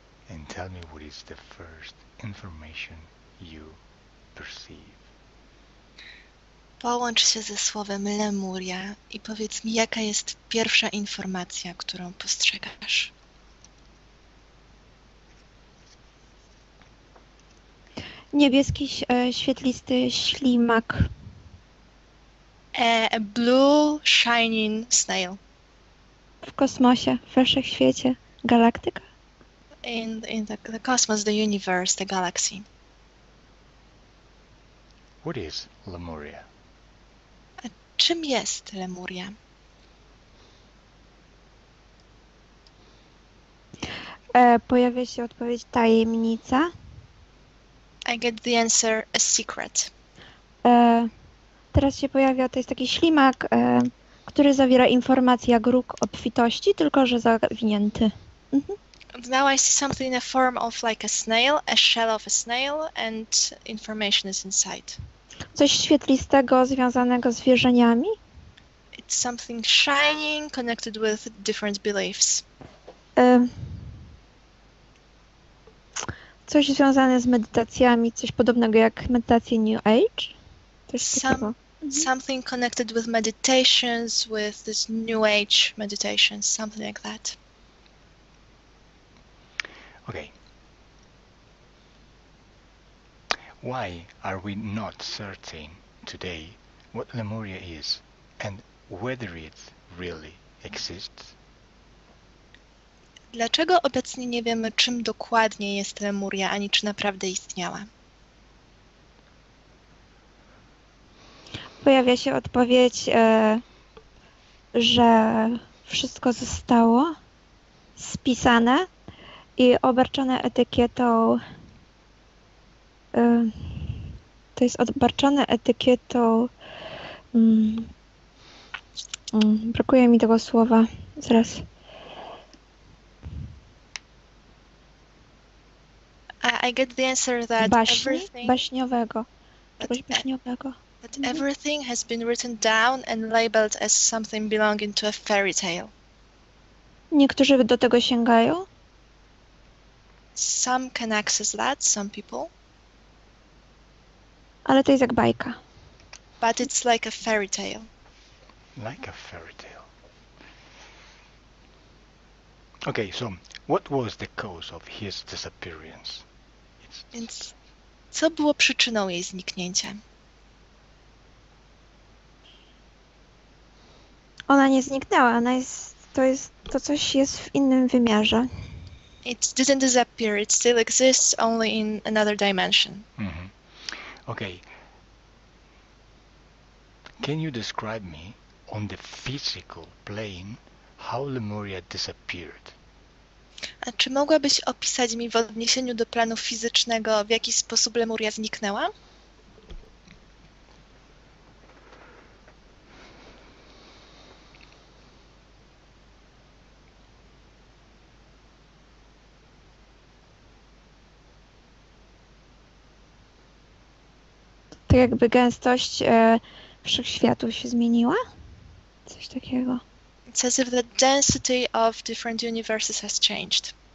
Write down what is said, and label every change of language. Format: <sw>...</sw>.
<en>and tell me what is the first information you perceive.</en> <pl>Połącz się ze słowem Lemuria i powiedz mi, jaka jest pierwsza informacja, którą postrzegasz? Niebieski, świetlisty ślimak.</pl> <en>A blue shining snail.</en> <pl>W kosmosie, w wszechświecie, galaktyka.</pl> <en>In the cosmos, the universe, the galaxy. What is Lemuria?</en> <pl>A czym jest Lemuria? Pojawia się odpowiedź tajemnica.</pl> <en>I get the answer, a secret.</en> <pl>Teraz się pojawia, to jest taki ślimak, który zawiera informacje jak róg obfitości, tylko że zawinięty.</pl> <en>Now I see something in the form of like a snail, a shell of a snail, and information is inside.</en> <pl>Coś świetlistego związanego z wierzeniami.</pl> <en>It's something shining connected with different beliefs.</en> <pl>Coś związane z medytacjami, coś podobnego jak medytacje New Age. Coś takiego.</pl> <en>Something connected with meditations, with this New Age meditation, something like that. Okay. Why are we not certain today what Lemuria is and whether it really exists?</en> <pl>Dlaczego obecnie nie wiemy, czym dokładnie jest Lemuria, ani czy naprawdę istniała? Pojawia się odpowiedź, że wszystko zostało spisane i obarczone etykietą. To jest obarczone etykietą. Brakuje mi tego słowa. Zaraz.</pl> <en>I get the answer that</en> <pl>Baśni?</pl> <en>everything</en> <pl>Baśniowego. Czegoś baśniowego.</pl> <en>That everything has been written down and labeled as something belonging to a fairy tale.</en> <pl>Niektórzy do tego sięgają.</pl> <en>Some can access that, some people.</en> <pl>Ale to jest jak bajka.</pl> <en>But it's like a fairy tale. Like a fairy tale. Okay, so what was the cause of his disappearance?</en> <pl>Więc co było przyczyną jej zniknięcia? Ona nie zniknęła, ona jest, to jest, to coś jest w innym wymiarze.</pl> <en>It didn't disappear, it still exists only in another dimension. Okay. Can you describe me on the physical plane how Lemuria disappeared?</en> <pl>A czy mogłabyś opisać mi w odniesieniu do planu fizycznego, w jaki sposób Lemuria zniknęła? Tak jakby gęstość wszechświatu się zmieniła? Coś takiego.</pl> <en>It's as if the density of different universes has changed.</en>